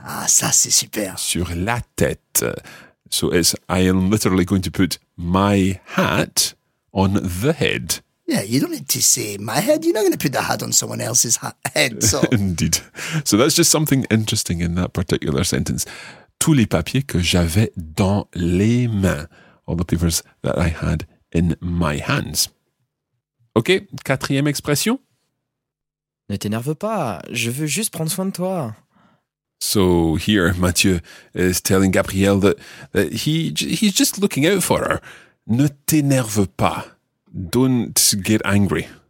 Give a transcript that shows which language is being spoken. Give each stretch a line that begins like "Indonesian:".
French: Ah, ça c'est super. Sur la tête.
English: So it's, I am literally going to put my hat on the head. Yeah, you don't need to say my head. You're not going to put the hat on someone else's head. So. Indeed. So that's just something interesting in that particular sentence.
French: Tous les papiers que j'avais dans les mains.
English: All the papers that I had in my hands.
French: OK, quatrième expression. Ne t'énerve pas, je veux juste prendre soin de toi.
English: So here, Mathieu is telling Gabrielle that he's just looking out for her.
French: Ne t'énerve pas.
English: Don't get angry.